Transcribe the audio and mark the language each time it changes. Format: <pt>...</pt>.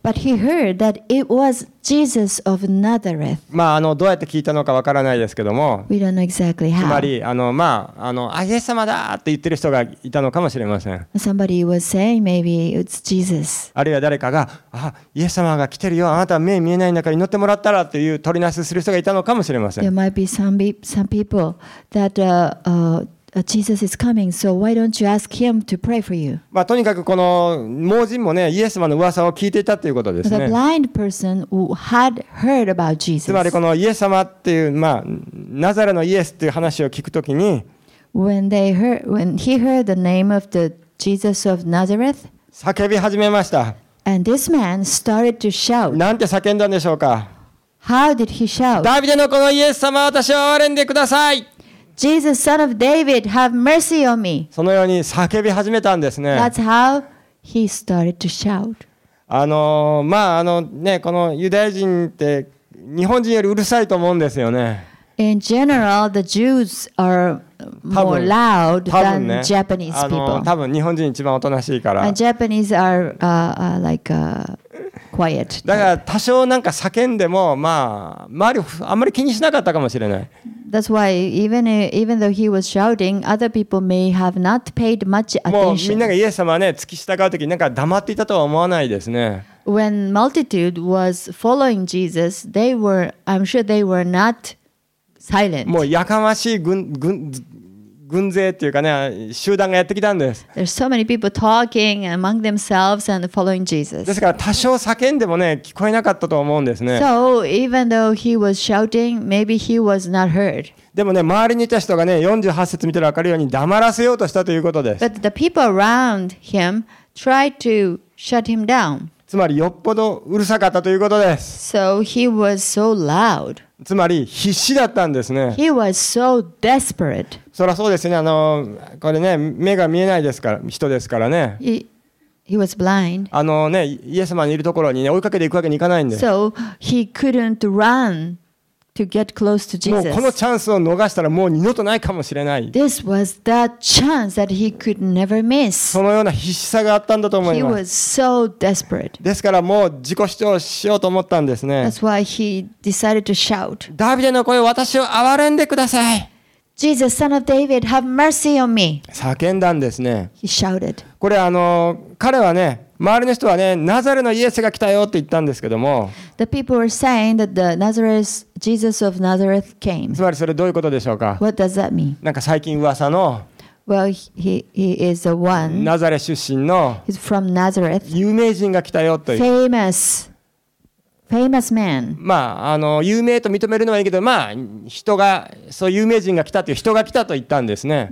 <en>But he heard that it was Jesus of Nazareth.</en> <ja>まあどうやって聞いたのかわからないですけども。</ja> <en>We don't know exactly how.</en> <ja>つまりイエス様だって言ってる人がいたのかもしれません。</ja> <en>Somebody was saying maybe it's Jesus.</en> <ja>あるいは誰かがイエス様が来てるよ、あなた目見えない中に乗ってもらったらっていう取りなしする人がいたのかもしれません。</ja> <en>There might beSome people that Jesus is coming, so why don't you ask him to pray for you?</en> <ja>まあとにかくこの盲人もね、イエス様の噂を聞いていたということですね。</ja> <en>The blind person who had heard about Jesus.</en> <ja>つまりこのイエス様っていう、まあナザレのイエスっていう話を聞くときに、</ja> <en>when he heard the name of the Jesus of Nazareth,</en> <ja>叫び始めました。</ja> <en>And this man started to shout.</en> <ja>なんて叫んだんでしょうか。</ja> <en>How did he shout?</en> <ja>ダビデのこのイエス様、私を憐れんでください。</ja> <en>Jesus, son of David, have mercy on me.</en> <ja>そのように叫び始めたんですね。</ja> <en>That's how he started to shout.</en> <ja>このユダヤ人って日本人よりうるさいと思うんですよね。</ja> <en>In general, the Jews are more loud than Japanese people.</en> <ja>多分日本人一番おとなしいから。</ja> <en>And Japanese are like quiet.</en> <ja>だから多少なんか叫んでも、まあ、周りあんまり気にしなかったかもしれない。</ja> <en>That's why even though he was shouting, other people may have not paid much attention.</en> <ja>もうみんながイエス様ね、付き従うときなんか黙っていたとは思わないですね。</ja> <en>When multitude was following Jesus, I'm sure they were not. Silent.</en> <ja>もうやかましい 軍勢っていうかね、集団がやってきたんです。</ja> <en>There's so many people talking among themselves and following Jesus.</en> <ja>ですから多少叫んでもね、聞こえなかったと思うんですね。</ja> <en>So even though he was shouting, maybe he was not heard.</en> <ja>でもね、周りにいた人がね、48節見てるわかるように黙らせようとしたということです。</ja> <en>But the people around him tried to shut him down.</en> <ja>つまりよっぽどうるさかったということです。</ja> <en>So he was so loud.</en> <ja>つまり必死だったんですね。</ja> <en>He was so desperate.</en> <ja>そらそうですね。これね、目が見えないですから、人ですからね。</ja> <en>He was blind.</en> <ja>イエス様のいるところにね、追いかけていくわけにいかないんです。</ja> <en>So he couldn't run to get close to Jesus.</en> <ja>もうこのチャンスを逃したらもう二度とないかもしれない。</ja> <en>This was the chance that he could never miss.</en> <ja>そのような必死さがあったんだと思います。</ja> <en>He was so desperate.</en> <ja>ですからもう自己主張しようと思ったんですね。</ja> <en>That's why he decided to shout.</en> <ja>ダビデの声、私を憐れんでください。</ja> <en>Jesus, son of David, have mercy on me.</en> <ja>叫んだんですね。</ja> <en>He shouted.</en> <ja>これ彼はね、周りの人はね、ナザレのイエスが来たよって言ったんですけども。</ja> <en>The people were saying that the Nazareth Jesus of Nazareth came.</en> <ja>つまりそれどういうことでしょうか。</ja> <en>What does that mean?</en> <ja>なんか最近噂の。</ja> <en>Well, he is the one.</en> <ja>ナザレ出身の。</ja> <en>He's from Nazareth.</en> <ja>有名人が来たよという。</ja> <en>Famous man.</en> <ja>まあ有名と認めるのはいいけど、まあ人がそう有名人が来たという人が来たと言ったんですね。</ja>